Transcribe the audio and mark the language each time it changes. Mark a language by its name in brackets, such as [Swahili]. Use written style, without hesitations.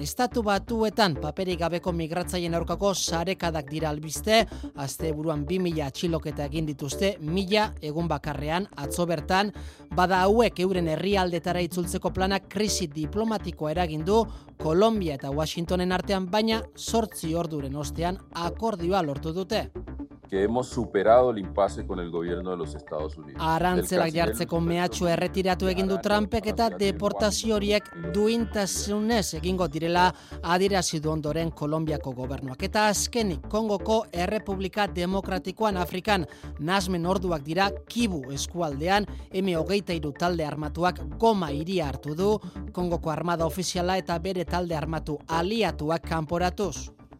[Basque] Estatu batuetan paperik gabeko migratzaileen aurkako sarekadak dira albiste, asteburuan 2000 atxiloketa egin dituzte 1000 egun bakarrean atzo bertan. Bada hauek euren herrialdetara itzultzeko planak krisi diplomatikoa eragin du Kolombia eta Washingtonen artean, baina 8 orduren ostean akordioa lortu dute. [Spanish] que hemos superado el impasse con el gobierno de los Estados Unidos. [Basque] Arantzelak jartzeko mehatxu erretiratu egin du Trumpek eta deportazio horiek duintasunez egingo direla adierazi du ondoren Kolombiako gobernuak. Eta azkenik Kongoko Errepublika Demokratikoan Afrikan nazmen orduak dira Kibu eskualdean M23 talde armatuak Goma hiria hartu du Kongoko armada ofiziala eta bere talde armatu aliatuak kanporatuz.